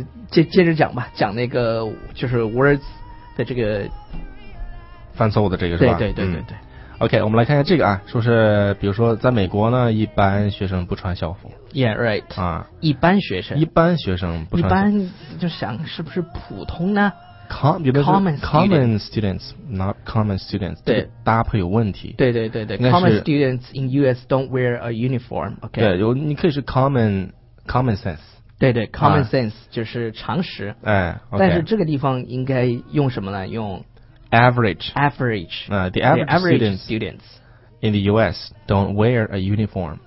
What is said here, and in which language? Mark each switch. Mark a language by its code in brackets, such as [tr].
[zh] 接着讲吧，讲那个就是 words 的这个犯错误的这个是吧？对 OK， 我们来看一下这个啊，说是比如说在美国呢，一般学生不穿校服。 [en] Yeah, right. 啊， [zh] 一般学生不穿。一般就想是不是普通呢 [en] ？Common students, not common students. [zh] 对，搭配有问题。 [en] 对。Common students in U.S. don't wear a uniform. OK. [zh] 对，有你可以是 common sense. 对 ，common sense 就是常识。哎， okay. 但是这个地方应该用什么呢？用 [en] average. Average. The average students in the U.S. don't wear a uniform.